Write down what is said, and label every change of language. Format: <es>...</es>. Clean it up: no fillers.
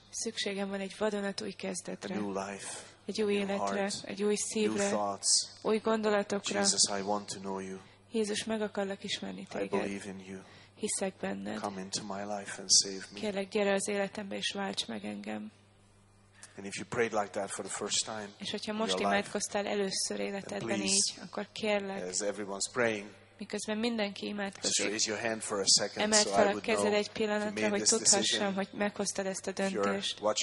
<hu>Szükségem van egy vadonatúj kezdetre.</hu> <en>A new life.</en> <hu>Egy új életre, egy új szívre, új gondolatokra.</hu> <en>Jesus, I want to know you.</en> <hu>Jézus, meg akarlak ismerni téged.</hu> <en>I believe in you.</en> <hu>Hiszek benned.</hu> <en>Come into my life and save me.</en> <hu>Kérlek, gyere az életembe és válts meg engem.</hu> <en>And if you prayed like that for the first time,</en> <hu>és hogyha most imádkoztál először életedben így, akkor kérlek.</hu> <en>As everyone's praying,</en> <hu>miközben mindenki imádkozik,</hu> <en>raise your hand for a second,</en> <hu>emeld fel</hu> <en>so</en> <hu>a kezed egy pillanatra, hogy tudhassam, hogy meghoztad ezt a döntést.</hu>